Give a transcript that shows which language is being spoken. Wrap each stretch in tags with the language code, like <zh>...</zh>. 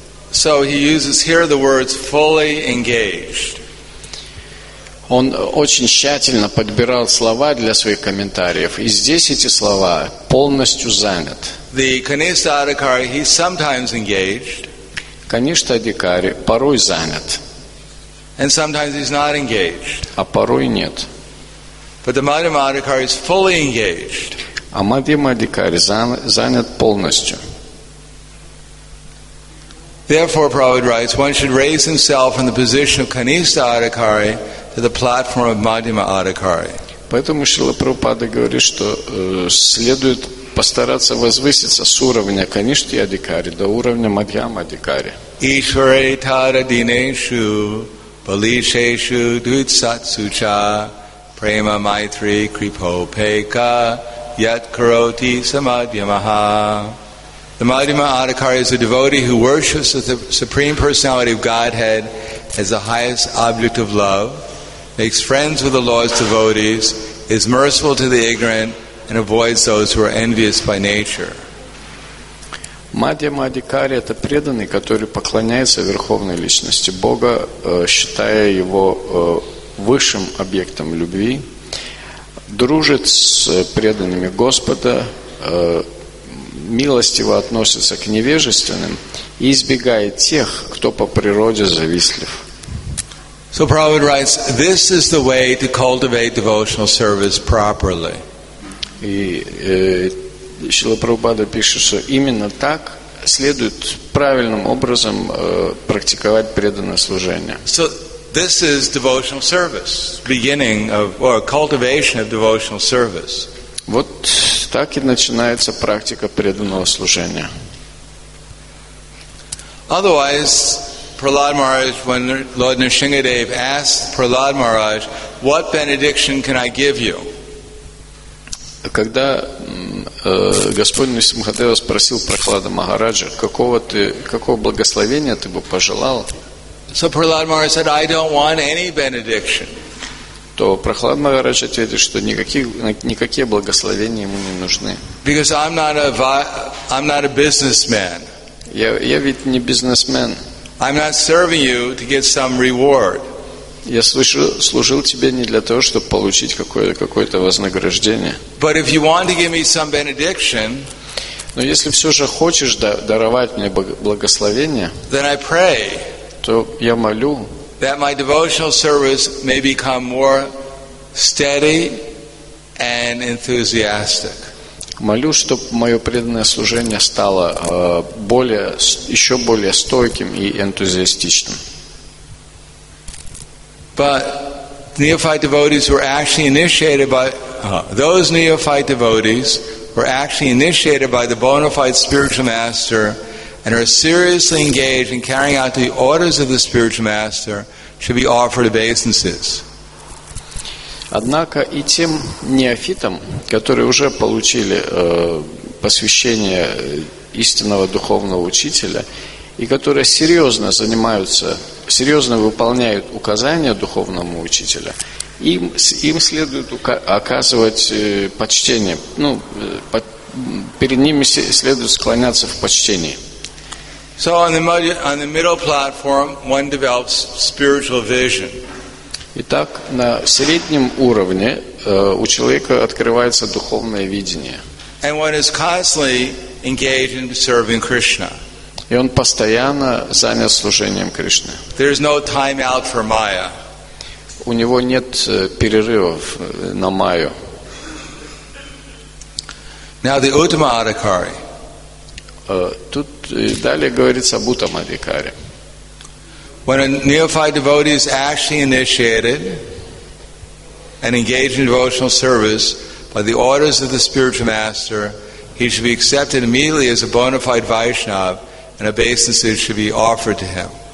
<en>So he uses here the words fully engaged.</en> <ru>Он очень тщательно подбирал слова для своих комментариев, и здесь эти слова полностью занят.</ru> <en>The Kanishtha Adhikari, he's sometimes engaged.</en> <ru>Kanishtha Adhikari порой занят.</ru> <en>And sometimes he's not engaged.</en> <ru>А порой нет.</ru> <en>But the Madhyama Adhikari is fully engaged.</en> <ru>А Мадхьяма Адхикари занят полностью.</ru> <en>Therefore, Prabhupada writes, one should raise himself in the position of Kanishtha Adhikari to the platform of Madhyama Adhikari.</en> <ru>Поэтому Шрила Прабхупада говорит, что следует постараться возвыситься с уровня Kanishtha Adhikari до уровня Мадхьяма Адхикари.</ru> <sa>Ишваре тара динешу Valisheshu Dut Satsucha Prema Maitri Kripo Peka Yat Karoti Samadhyamaha.</sa> <en>The Madhyama Adhikari is a devotee who worships the Supreme Personality of Godhead as the highest object of love, makes friends with the Lord's devotees, is merciful to the ignorant and avoids those who are envious by nature.</en> <ru>Мадхья Мадхикари – это преданный, который поклоняется Верховной Личности Бога, считая его высшим объектом любви, дружит с преданными Господа, милостиво относится к невежественным и избегает тех, кто по природе завистлив.</ru> <en>So Prabhupada writes, this is the way to cultivate devotional service properly.</en> <ru>И Шрила Прабхупада пишет, что именно так следует правильным образом практиковать преданное служение.</ru> <en>So this is devotional service, beginning of or cultivation of devotional service.</en> <ru>Вот так и начинается практика преданного служения.</ru> <en>Otherwise, Prahlad Maharaj, when Lord Nrsimhadev asked Prahlad Maharaj, "What benediction can I give you?"</en> <ru>Когда Господь Нрсимхадева спросил Прахлада Махараджа, какого благословения ты бы пожелал?</ru> <en>So Prahlad Maharaj said, "I don't want any benediction."</en> <ru>То Прахлад Махарадж ответил, что никакие благословения ему не нужны.</ru> <en>Because I'm not a businessman.</en> <ru>Я ведь не бизнесмен.</ru> <en>I'm not serving you to get some reward.</en> <ru>Я служил тебе не для того, чтобы получить какое-то вознаграждение.</ru> <en>But if you want to give me some benediction,</en> <ru>но если все же хочешь даровать мне благословение,</ru> <en>then I pray,</en> <ru>то я молю,</ru> <en>that my devotional service may become more steady and enthusiastic.</en> <ru>Молю, чтобы мое преданное служение стало еще более стойким и энтузиастичным.</ru> <en>But neophyte devotees were actually initiated by those neophyte devotees were actually initiated by the bona fide spiritual master and are seriously engaged in carrying out the orders of the spiritual master should be offered obeisances.</en> <ru>Однако и тем неофитам, которые уже получили посвящение истинного духовного учителя и которые серьезно выполняют указания духовному учителю, им следует оказывать почтение. Ну, перед ними следует склоняться в почтении.</ru> <en>So on the middle platform, one develops spiritual vision.</en> <ru>Итак, на среднем уровне у человека открывается духовное видение.</ru> <en>And one is constantly engaged in serving Krishna.</en> <ru>И он постоянно занят служением Кришны.</ru> <en>There is no time out for Maya.</en> <ru>У него нет перерывов на Майю.</ru> <en>Now the Uttama Adhikari.</en> <ru>Тут далее говорится об Uttama Adhikari.</ru> <en>When a neophyte devotee is actually initiated and engaged in devotional service by the orders of the spiritual master, he should be accepted immediately as a bona fide Vaishnava and obeisances should be offered to him.</en>